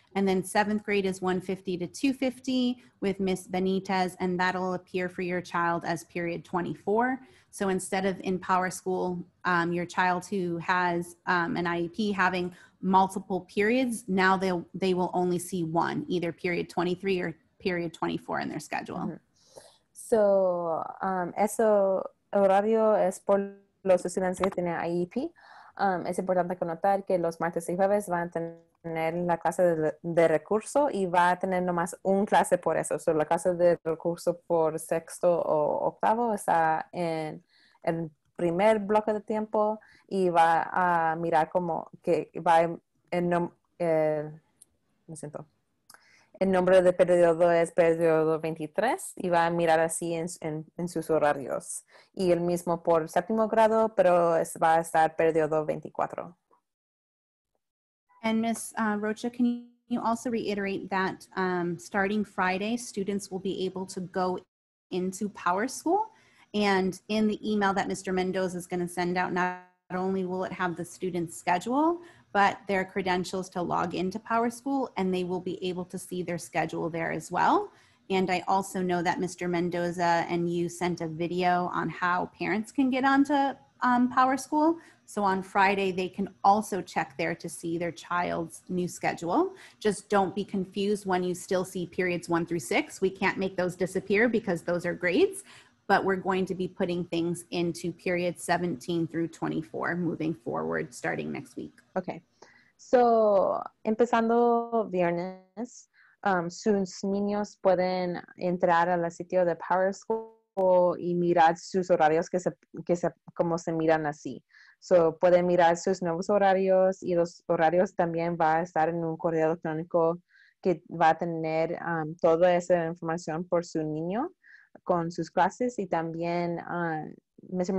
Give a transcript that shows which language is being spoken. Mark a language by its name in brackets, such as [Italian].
[English] And then seventh grade is 150 to 250 with Miss Benitez, and that'll appear for your child as period 24. So instead of in Power School, your child who has an IEP having multiple periods, now they will only see one, either period 23 or period 24 in their schedule. Mm-hmm. [Spanish] So, eso horario es por los estudiantes que tienen IEP. Es importante notar que los martes y jueves van a tener la clase de recurso y va a tener nomás un clase por eso. So, la clase de recurso por sexto o octavo está en el primer bloque de tiempo y va a mirar como que va en me siento. El nombre de periodo es periodo 23 y va a mirar así en sus horarios. Y el mismo por séptimo grado, pero va a estar periodo 24. [English] And Ms. Rocha, can you also reiterate that starting Friday, students will be able to go into Power School? And in the email that Mr. Mendoza is going to send out, not only will it have the student's schedule, but their credentials to log into Power School, and they will be able to see their schedule there as well. And I also know that Mr. Mendoza and you sent a video on how parents can get onto Power School. So on Friday, they can also check there to see their child's new schedule. Just don't be confused when you still see periods 1 through 6. We can't make those disappear because those are grades. but we're going to be putting things into period 17 through 24 moving forward starting next week. Okay. [Spanish] So, empezando viernes, sus niños pueden entrar a la sitio de Power School y mirar sus horarios que se como se miran así. So, pueden mirar sus nuevos horarios y los horarios también va a estar en un correo electrónico que va a tener toda esa información por su niño con sus clases y también Mr.